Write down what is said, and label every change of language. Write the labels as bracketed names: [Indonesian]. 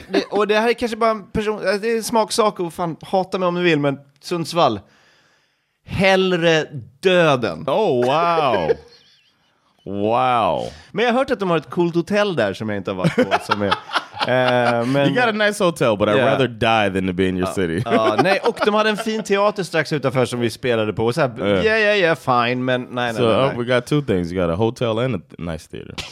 [Swedish] Och det här är kanske bara en person. Det är en smaksak och fan, hata mig om du vill. Men Sundsvall, hellre döden. [English] Oh wow. Wow. [Swedish] Men jag har hört att de har ett coolt hotell där som jag inte har varit på. Som är, [English] men, you got a nice hotel, but I'd rather die than to be in your city. [Swedish] Nej, och de hade en fin teater strax utanför som vi spelade på. Så här, yeah, fine, men nej. [English] So we got two things. You got a hotel and a nice theater.